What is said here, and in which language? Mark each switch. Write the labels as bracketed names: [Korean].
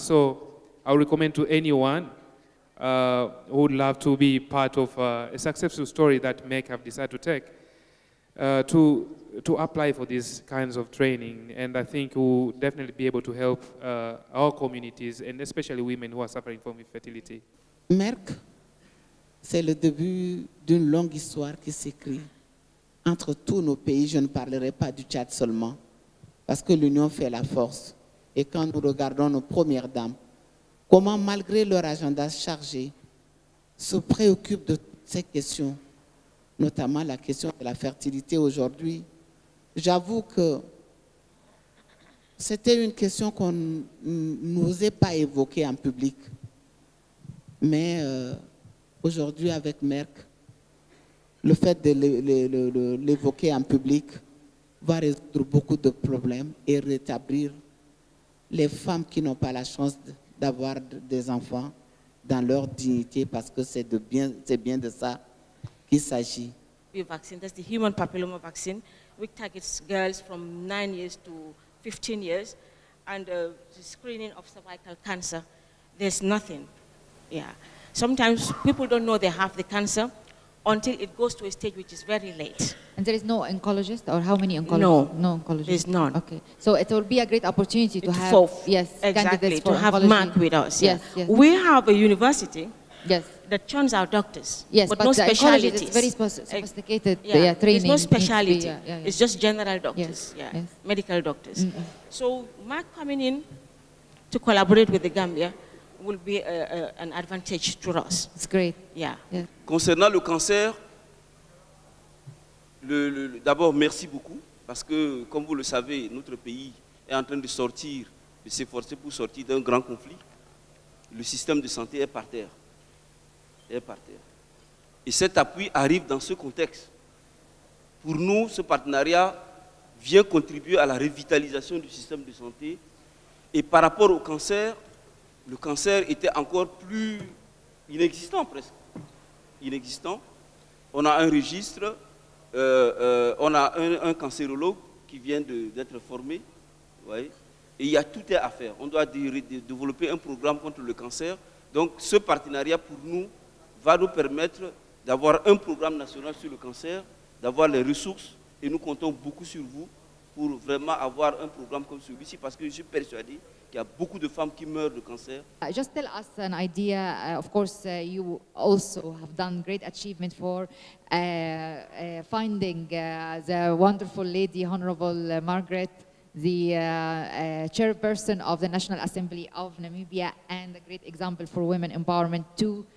[English] So I would recommend to anyone who would love to be part of a successful story that Merck have decided to take to apply for these kinds of training. And I think we'll definitely be able to help our communities, and especially women who are suffering from infertility. [French] Merck, c'est le début d'une longue histoire qui s'écrit entre tous nos pays. Je ne parlerai pas du Tchad seulement, parce que l'union fait la force. Et quand nous regardons nos premières dames, comment, malgré leur agenda chargé, se préoccupent de ces questions, notamment la question de la fertilité aujourd'hui. J'avoue que c'était une question qu'on n'osait pas évoquer en public. Mais aujourd'hui, avec Merck, le fait de l'évoquer en public va résoudre beaucoup de problèmes et rétablir les femmes qui n'ont pas la chance d'avoir des enfants dans leur dignité, parce que c'est bien de ça qu'il s'agit. [English] Vaccine, that's the human papilloma vaccine, which targets girls from 9 years to 15 years, and the screening of cervical cancer, there's nothing. Yeah. Sometimes people don't know they have the cancer until it goes to a stage which is very late. And there is no oncologist, or how many oncologists? No oncologist. There's none. Okay. So it will be a great opportunity to have candidates for to have Merck with us. Yes. We have a university. Yes. That churns out doctors. Yes, but no specialities. It's very sophisticated training. It's no specialty. It's just general doctors. Yes. Medical doctors. Mm-hmm. So Merck coming in to collaborate with the Gambia will be an advantage to us. It's great. Yeah. [French] Concernant le cancer, d'abord, merci beaucoup, parce que, comme vous le savez, notre pays est en train de sortir, de s'efforcer pour sortir d'un grand conflit. Le système de santé est par terre. Est par terre. Et cet appui arrive dans ce contexte. Pour nous, ce partenariat vient contribuer à la revitalisation du système de santé. Et par rapport au cancer, le cancer était encore plus inexistant, presque. Inexistant. On a un registre, on a un cancérologue qui vient d'être formé. Vous voyez, et il y a tout à faire. On doit développer un programme contre le cancer. Donc ce partenariat, pour nous, va nous permettre d'avoir un programme national sur le cancer, d'avoir les ressources, et nous comptons beaucoup sur vous pour vraiment avoir un programme comme celui-ci, parce que je suis persuadé qu'il y a beaucoup de femmes qui meurent de cancer. [English] Just tell us an idea. Of course, you also have done great achievement for finding the wonderful lady, honorable Margaret, the chairperson of the National Assembly of Namibia, and a great example for women empowerment too.